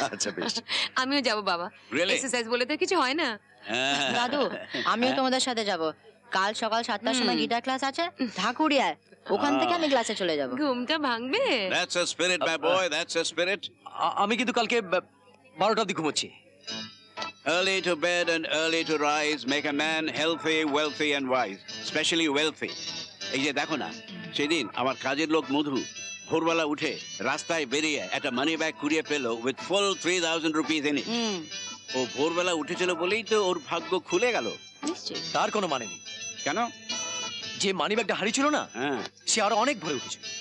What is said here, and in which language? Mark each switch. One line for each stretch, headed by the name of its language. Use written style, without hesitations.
Bangla: আচ্ছা বেশ, আমিও যাব বাবা। এক্সারসাইজ বলে তো কিছু হয় না। দাদু আমিও তোমাদের সাথে যাব, কাল সকাল 7টার সময় গিটার ক্লাস আছে ঢাকুরিয়ার, ওখান থেকে আমি ক্লাসে চলে যাব। ঘুমটা ভাঙবে।
English: That's a spirit my boy, that's a spirit.
Bangla: আমি কিন্তু কালকে 12টা দিকে ঘুমাচ্ছি।
English: Early to bed and early to rise make a man healthy, wealthy and wise, especially wealthy.
Bangla: এই যে দেখো না, সেদিন আমার কাজের লোক মধু ভোরবেলা উঠে রাস্তায় বেরিয়ে একটা মানি ব্যাগ কুড়িয়ে পেলো
English: With full 3000 rupees in it.
Bangla: ও ভোরবেলা উঠেছিল বলেই তো ওর ভাগ্য খুলে গেল। তার কোনো মানে নেই। কেন? যে মানি ব্যাগটা হারিয়ে ছিল না, সে আরো অনেক ভরে উঠেছে।